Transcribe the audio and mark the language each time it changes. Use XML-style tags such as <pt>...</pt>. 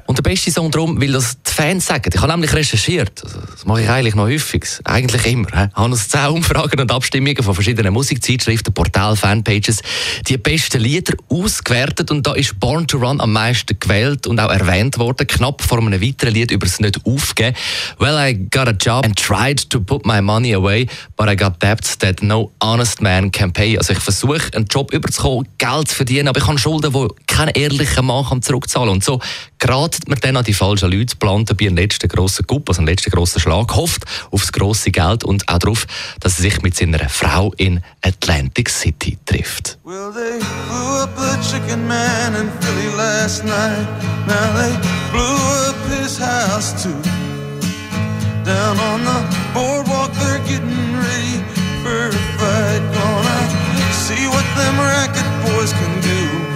<de>Und der beste Song darum, weil das die Fans sagen. Ich habe nämlich recherchiert. Das mache ich eigentlich noch häufig. Eigentlich immer. Ich habe uns 10 Umfragen und Abstimmungen von verschiedenen Musikzeitschriften, Portal, Fanpages, die besten Lieder ausgewertet. Und da ist Born to Run am meisten gewählt und auch erwähnt worden. Knapp vor einem weiteren Lied über das Nicht-Aufgeben.</de> <en>Well, I got a job and tried to put my money away, but I got debts that no honest man can pay.</en> <de>Also ich versuche, einen Job überzukommen, Geld zu verdienen, aber ich habe Schulden, die kein ehrlicher Mann kann zurückzahlen. Und so geratet man dann an die falschen Leute, plant bei einem letzten grossen Coup, also einem letzten grossen Schlag, hofft auf das grosse Geld und auch darauf, dass er sich mit seiner Frau in Atlantic City trifft.</de> <en>Well, they blew up a chicken man in Philly last night. Now they blew up his house too. Down on the boardwalk they're getting ready for a fight. Gonna see what them racket boys can do.</en>